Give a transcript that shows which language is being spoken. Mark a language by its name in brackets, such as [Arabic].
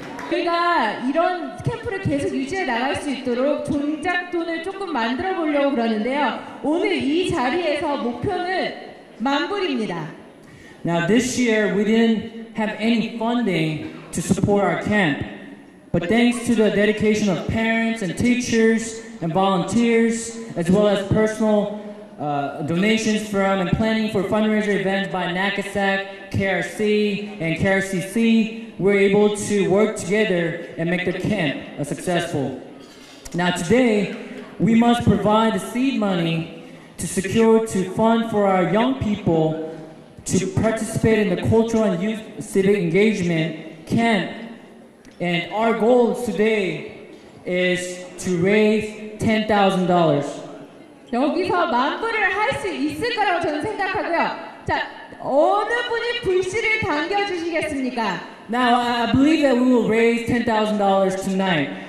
[Korean] 저희가 이런 캠프를 계속 유지해 나갈 수 있도록 종잣돈을 조금 만들어 보려고 그러는데요. 오늘 이 자리에서 목표는 만불입니다. [English] Now this year we didn't have any funding to support our camp. But thanks to the dedication of parents and teachers and volunteers as well as personal donations from and planning for fundraiser events by NACASAC, KRC, and KRCC, we're able to work together and make the camp a successful. Now today, we must provide the seed money to secure to fund for our young people to participate in the cultural and youth civic engagement camp. And our goal today is to raise $10,000. [Korean] 여기서 만불을 할 수 있을 거라고 저는 생각하고요. 자, 어느 분이 불씨를 당겨주시겠습니까? [English] Now, I believe that we will raise $10,000 tonight.